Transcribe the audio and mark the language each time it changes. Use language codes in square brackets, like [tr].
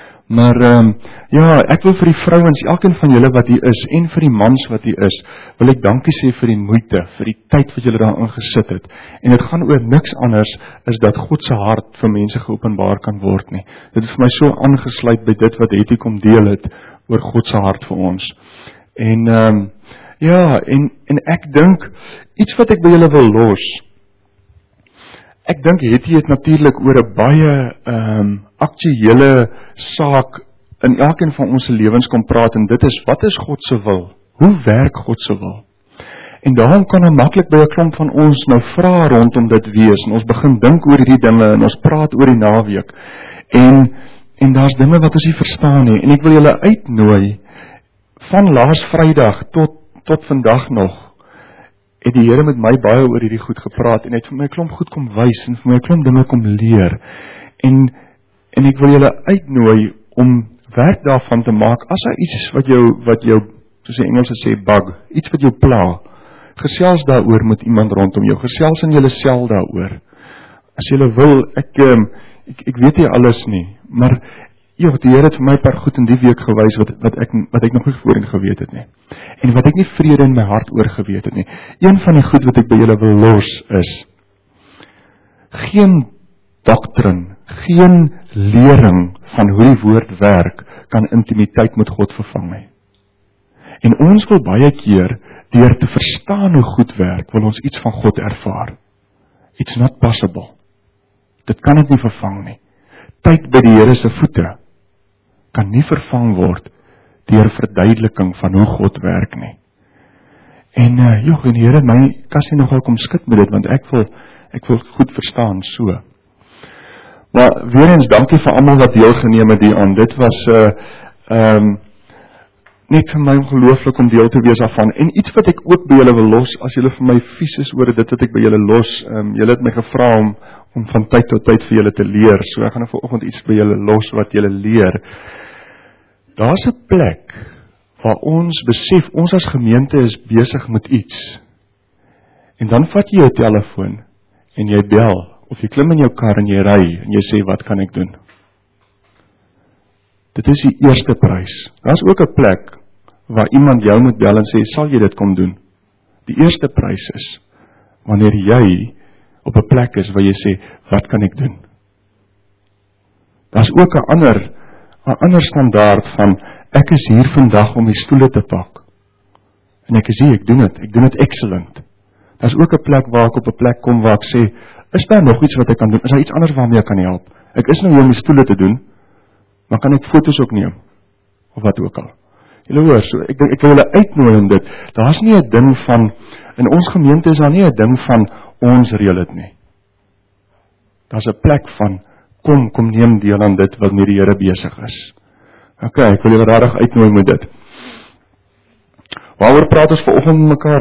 [af] Maar ek wil vir die vrouens, elkeen van julle wat hier is en vir die mans wat hier is, wil ek dankie sê vir die moeite, vir die tyd wat julle daarin gesit het. En dit gaan oor niks anders as dat God se hart vir mense geopenbaar kan word nie. Dit het vir my so aangesluit by dit wat Hetty kom deel het oor God se hart vir ons. En ek dink iets wat ek by julle wil los. Ek dink Hetty het natuurlik oor 'n baie aktuele saak in elkeen van ons lewens kom praat en dit is, wat is God se wil? Hoe werk God se wil? En daarom kan nou maklik by 'n klomp van ons nou vra rondom dit wees en ons begin dink oor hierdie dinge en ons praat oor die naweek en daar's dinge wat ons nie verstaan nie en ek wil julle uitnooi van laas Vrydag tot vandag nog het die Here met my baie oor hierdie goed gepraat en het vir my klomp goed kom wys en vir my klomp dinge kom leer. En ek wil julle uitnooi om werk daarvan te maak. As daar iets is wat jou soos die Engelse sê bug, iets wat jou pla, gesels daaroor met iemand rondom jou, gesels in julle sel daaroor. As julle wil, ek weet nie alles nie, maar die Here het vir my paar goed in die week gewys wat ek nog nie voorheen geweet het nie. En wat ek nie vrede in my hart oor geweet het nie. Een van die goed wat ek by julle wil los is, geen doktrin, geen lering van hoe die woord werk, kan intimiteit met God vervang nie. En ons wil baie keer, deur te verstaan hoe goed werk, wil ons iets van God ervaar. [en] It's not possible. [af] Dit kan dit nie vervang nie. Tyd by die Here se voete kan nie vervang word deur verduideliking van hoe God werk nie. En en die Here my kassie nogal kom skud met dit, want ek wil goed verstaan so. Maar weer eens dankie vir almal wat deelgeneem het hieraan. Dit was net vir my ongelooflik om deel te wees daarvan. En iets wat ek ook by julle wil los, as julle vir my vies is oor dit wat ek by julle los, julle het my gevra om van tyd tot tyd vir julle te leer. So ek gaan nou vanoggend iets by julle los wat julle leer. Daar's 'n plek waar ons besef ons as gemeente is besig met iets. En dan vat jy jou telefoon en jy bel of jy klim in jou kar en jy ry en jy sê wat kan ek doen? Dit is die eerste prys. Daar's ook 'n plek waar iemand jou moet bel en sê sal jy dit kom doen? Die eerste prys is wanneer jy op 'n plek is waar jy sê, wat kan ek doen? Daar's ook een ander standaard van, ek is hier vandag om die stoele te pak. En ek is hier, ek doen het excellent. Daar's ook een plek waar ek op 'n plek kom waar ek sê, is daar nog iets wat ek kan doen? Is daar iets anders waarmee ek kan help? Ek is nou hier om die stoele te doen, maar kan ek foto's ook neem? Of wat ook al. Julle hoor, so ek wil julle uitnooi in dit. Daar's nie 'n ding van, in ons gemeente is daar nie 'n ding van, ons reël dit nie. Daar's 'n plek van kom neem deel aan dit wat met die Here besig is. OK, ek wil julle regtig uitnooi met dit. Waaroor praat ons vanoggend met mekaar?